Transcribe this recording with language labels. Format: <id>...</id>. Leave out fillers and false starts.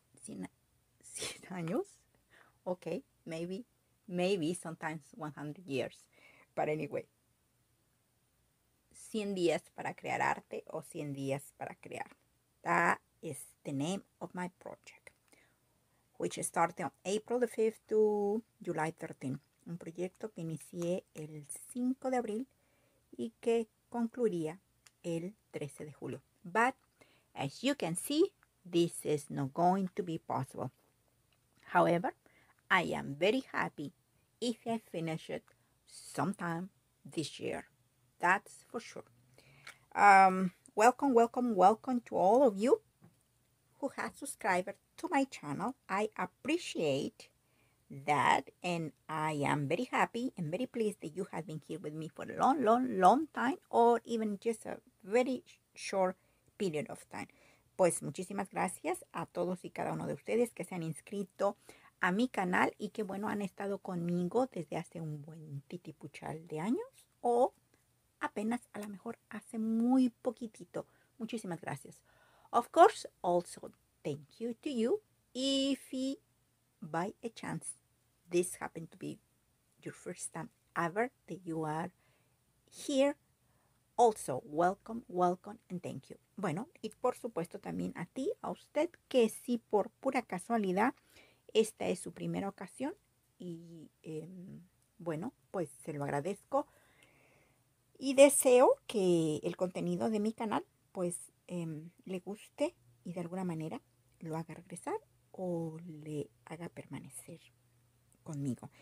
<es>100 años?</es> <en>Okay, maybe sometimes 100 years. But anyway,</en> <es>100 días para crear arte o 100 días para crear.</es> <en>That is the name of my project, which started on April the 5th to July 13th.</en> <es>Un proyecto que inicié el 5 de abril y que concluiría el 13 de julio.</es> <en>But, as you can see, this is not going to be possible. However, I am very happy if I finish it sometime this year. That's for sure. Welcome to all of you who has subscribed to my channel. I appreciate that, and I am very happy and very pleased that you have been here with me for a long time, or even just a very short period of time.</en> <es>Pues muchísimas gracias a todos y cada uno de ustedes que se han inscrito a mi canal y que, bueno, han estado conmigo desde hace un buen titipuchal de años, o apenas, a lo mejor, hace muy poquitito. Muchísimas gracias.</es> <en>Of course, also thank you to you if by a chance this happened to be your first time ever that you are here. Also, welcome and thank you.</en> <es>Bueno, y por supuesto también a ti, a usted, que si por pura casualidad esta es su primera ocasión y bueno, pues se lo agradezco y deseo que el contenido de mi canal, pues, le guste y de alguna manera lo haga regresar o le haga permanecer conmigo.</es>